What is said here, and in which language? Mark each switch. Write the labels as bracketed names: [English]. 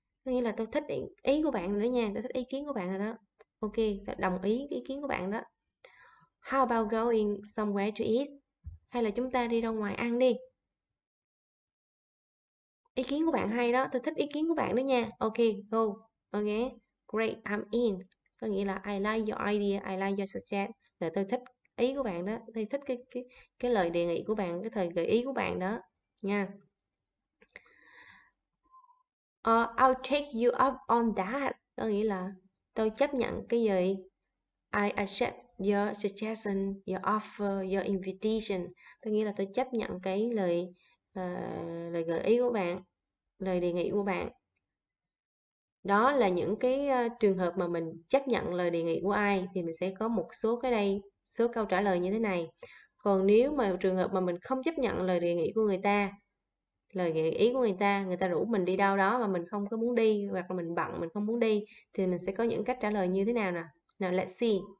[Vietnamese] Có nghĩa là tôi thích ý của bạn nữa nha. Tôi thích ý kiến của bạn rồi đó. Ok, tôi đồng ý ý kiến của bạn đó. [English] How about going somewhere to eat? [Vietnamese] Hay là chúng ta đi ra ngoài ăn đi. Ý kiến của bạn hay đó. Tôi thích ý kiến của bạn đó nha. [English] Ok, go. Ok, great, I'm in. [Vietnamese] Có nghĩa là [English] I like your idea, I like your suggestion. [Vietnamese] Là tôi thích ý của bạn đó. Tôi thích cái lời đề nghị của bạn, cái thời gợi ý của bạn đó. Nha. [English] I'll take you up on that. [Vietnamese] Có nghĩa là tôi chấp nhận cái gì. [English] I accept your suggestion, your offer, your invitation. [Vietnamese] Có nghĩa là tôi chấp nhận cái lời lời gợi ý của bạn, lời đề nghị của bạn. Đó là những cái trường hợp mà mình chấp nhận lời đề nghị của ai thì mình sẽ có một số cái đây, số câu trả lời như thế này. Còn nếu mà trường hợp mà mình không chấp nhận lời đề nghị của người ta, lời gợi ý của người ta rủ mình đi đâu đó mà mình không có muốn đi, hoặc là mình bận mình không muốn đi, thì mình sẽ có những cách trả lời như thế nào nè. [English] Now let's see.